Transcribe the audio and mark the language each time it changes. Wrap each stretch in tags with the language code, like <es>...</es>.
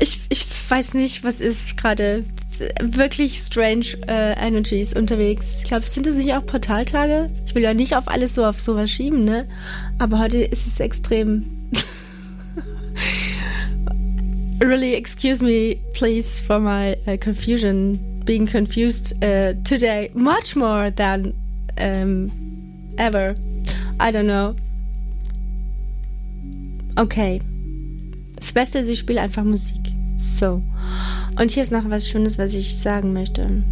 <de>Ich weiß nicht, was ist gerade. Wirklich</de> <en>strange energies</en> <de>unterwegs. Ich glaube, sind das nicht auch Portaltage? Ich will ja nicht auf alles so auf sowas schieben, ne? Aber heute ist es extrem.</de> <en>Really, excuse me, please, for my confusion. Being confused today much more than ever. I don't know. Okay.</en> <de>Das Beste ist, ich spiele einfach Musik. So. Und hier ist noch was Schönes, was ich sagen möchte.</de>